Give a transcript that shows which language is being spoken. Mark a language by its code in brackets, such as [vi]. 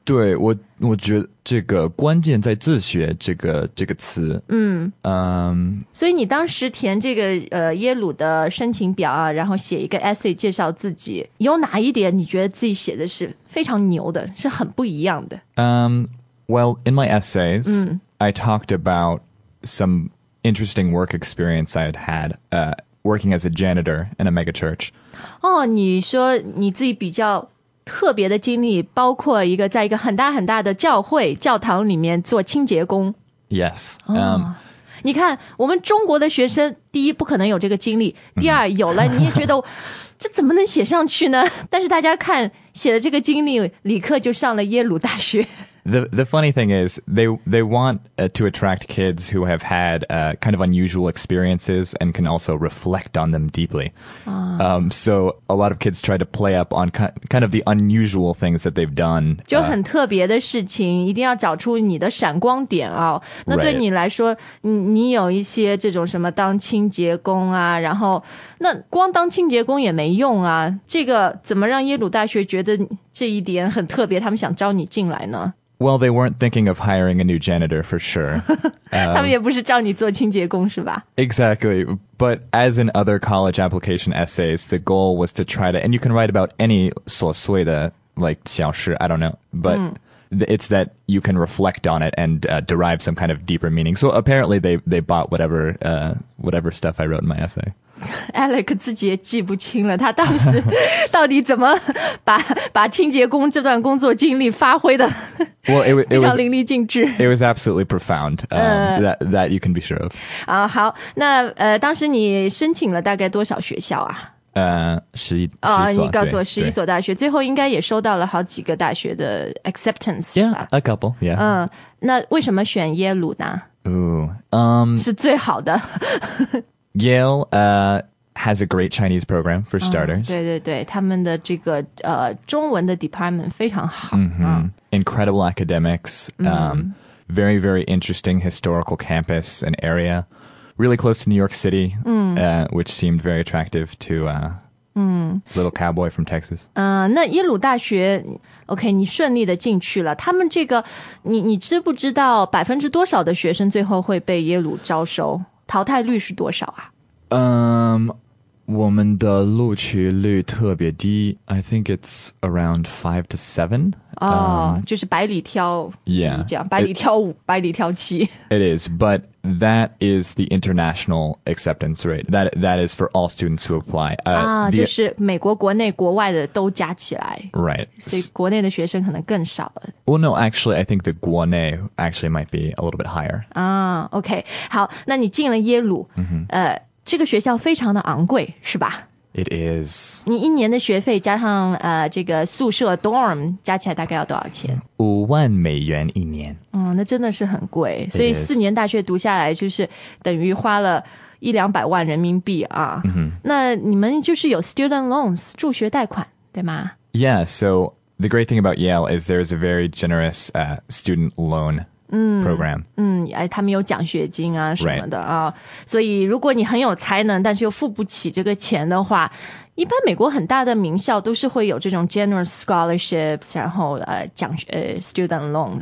[zh] 对，我觉得这个关键在自学这个词。所以你当时填这个耶鲁的申请表啊，然后写一个 essay 介绍自己，有哪一点你觉得自己写的是非常牛的，是很不一样的？ [en] Well, in my essays, I talked about some interesting work experience I had had, working as a janitor in a mega church. [zh] 哦，你说你自己比较特别的经历，包括一个在一个很大很大的教会教堂里面做清洁工。 [en] Yes. [zh] 你看，我们中国的学生，第一不可能有这个经历，第二有了你也觉得这怎么能写上去呢？但是大家看写的这个经历，立刻就上了耶鲁大学。 [en] The funny thing is, they want to attract kids who have had kind of unusual experiences and can also reflect on them deeply. So a lot of kids try to play up on kind of the unusual things that they've done. [zh] 就很特别的事情，一定要找出你的闪光点啊。那对你来说，你有一些这种什么当清洁工啊，然后那光当清洁工也没用啊。这个怎么让耶鲁大学觉得这一点很特别，他们想招你进来呢？ [en] Well, they weren't thinking of hiring a new janitor, for sure. [zh] 他们也不是叫你做清洁工是吧？ [en] Exactly. But as in other college application essays, the goal was to try to, and you can write about any [zh] 琐碎的 [en] like [zh] 小事, [en] I don't know, but it's that you can reflect on it and derive some kind of deeper meaning. So apparently they bought whatever stuff I wrote in my essay. [zh] Alec 自己也记不清了，他当时到底怎么把清洁工这段工作经历发挥的非常淋漓尽致。 [en] It was absolutely profound, that you can be sure of. [zh] 好，那当时你申请了大概多少学校啊？十一所。你告诉我十一所大学，最后应该也收到了好几个大学的 acceptance, [en] Yeah, a couple, yeah. [zh] 那为什么选耶鲁呢？是最好的。 [en] Yale has a great Chinese program, for starters. [zh] 对对对，他们的这个中文的 department 非常好。 [en] Incredible academics, very, very interesting historical campus and area. Really close to New York City, which seemed very attractive to little cowboy from Texas. [zh] 那耶鲁大学 ,OK, 你顺利的进去了。他们这个你知不知道百分之多少的学生最后会被耶鲁招收？淘汰率是多少啊？我们的录取率特别低 ， [en] I think it's around 5 to 7。 [zh] 就是百里挑 [en] ，yeah, [zh] 这样百里挑五，百里挑七。 [en] It is, but that is the international acceptance rate. That is for all students who apply. [zh] 就是美国国内国外的都加起来 [en] ，right？ [zh] 所以国内的学生可能更少了。 [en] Well, no, actually, I think the [zh] 国内 [en] actually might be a little bit higher. [zh] OK, 好，那你进了耶鲁，这个学校非常的昂贵，是吧？ [en] It is. [zh] 你一年的学费加上这个宿舍 dorm 加起来大概要多少钱？ $50,000一年。那真的是很贵。所以四年大学读下来就是等于花了100,000-200,000人民币啊。那你们就是有 student loans 助学贷款，对吗？ [en] Yeah. So the great thing about Yale is there is a very generous student loan. Program. [zh] 他们有奖学金啊什么的啊。所以如果你很有才能但是又付不起这个钱的话一般美国很大的名校都是会有这种 [en] generous scholarships, [zh] 然后student loans.